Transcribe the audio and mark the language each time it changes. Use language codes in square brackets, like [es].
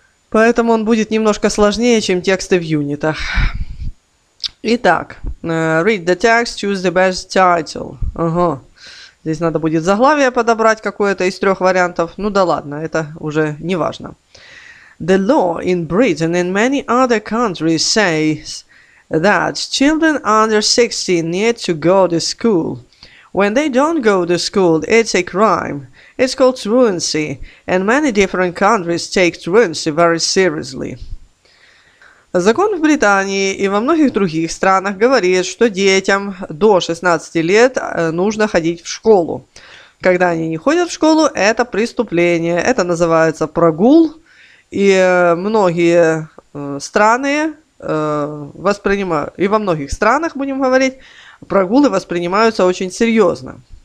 [ru] Поэтому он будет немножко сложнее, чем тексты в юнитах. Итак, [en] read the text, choose the best title. [ru] Ага. Здесь надо будет заглавие подобрать какое-то из трех вариантов. Ну да ладно, это уже не важно. [en] The law in Britain and many other countries says that children under 16 need to go to school. When they don't go to school, it's a crime. It's called truancy, and many different countries take truancy very seriously. [ru] Закон в Британии и во многих других странах говорит, что детям до 16 лет нужно ходить в школу. Когда они не ходят в школу, это преступление, это называется прогул. И многие страны воспринимают, и во многих странах, будем говорить, прогулы воспринимаются очень серьезно.